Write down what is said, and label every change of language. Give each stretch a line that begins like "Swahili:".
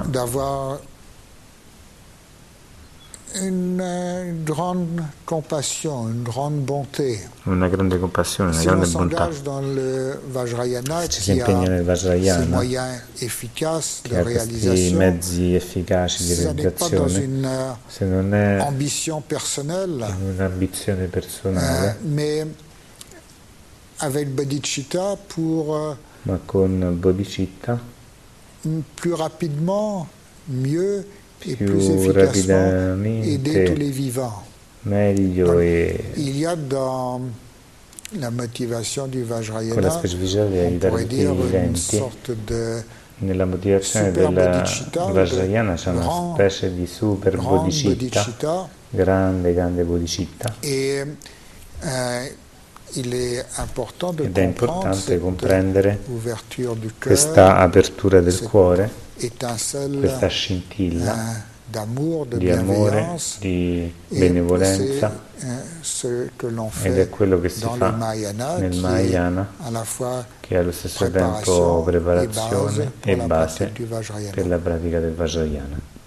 French: D'avoir une grande compassion, une grande bonté.
Italian: Una grande compassione, una si grande bontà.
French: Dans le Vajrayana,
Italian: ci si impegna nel Vajrayana,
French: ces moyens efficaces
Italian: che ha questi mezzi efficaci di realizzazione, se non è
French: ambition personnelle,
Italian: un'ambizione personale,
French: mais avec bodhicitta pour,
Italian: ma con bodhicitta, più
French: rapidement, mieux, et
Italian: più rapidamente
French: aider tous les vivants.
Italian: Meglio.
French: Donc,
Italian: e
French: il y a dans la motivation du Vajrayana,
Italian: con la specificità di aiutare tutti i viventi, nella motivazione del Vajrayana c'è una specie di super bodhicitta, grande bodhicitta. Ed è importante comprendere questa apertura del cuore, questa scintilla di amore, di benevolenza, ed è quello che si fa nel Mahayana, che è allo stesso tempo preparazione e base per la pratica del Vajrayana.